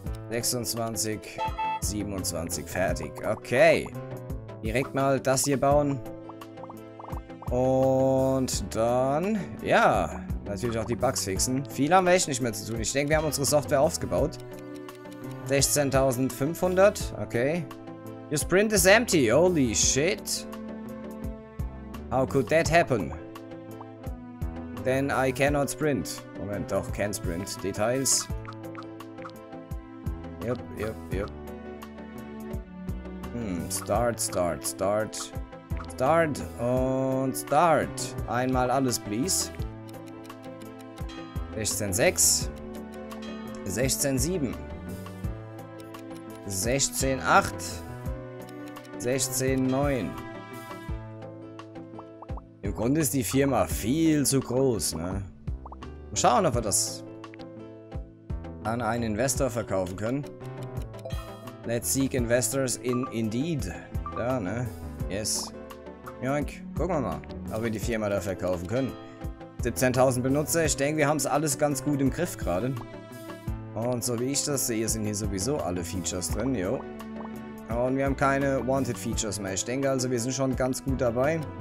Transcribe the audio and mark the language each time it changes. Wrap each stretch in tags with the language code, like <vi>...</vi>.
<de>26, 27, fertig. Okay. Direkt mal das hier bauen. Und dann, ja, natürlich auch die Bugs fixen. Viel haben wir echt nicht mehr zu tun. Ich denke, wir haben unsere Software aufgebaut. 16.500, okay.</de> <en>Your sprint is empty, holy shit. How could that happen? Then I cannot sprint.</en> <de>Moment, doch,</de> <en>can sprint. Details. Yep, yep, yep. Start, start, start. Start</en> <de>und</de> <en>start.</en> <de>Einmal alles,</de> <en>please.</en> <de>16.6. 16.7. 16.8. 16.9. Im Grunde ist die Firma viel zu groß, ne? Mal schauen, ob wir das an einen Investor verkaufen können.</de> <en>Let's seek investors in Indeed.</en> <de>Da, ne?</de> <en>Yes.</en> <de>Joink. Gucken wir mal, ob wir die Firma da verkaufen können. 17.000 Benutzer. Ich denke, wir haben es alles ganz gut im Griff gerade. Und so wie ich das sehe, sind hier sowieso alle Features drin, jo. Und wir haben keine Wanted Features mehr. Ich denke also, wir sind schon ganz gut dabei.</de>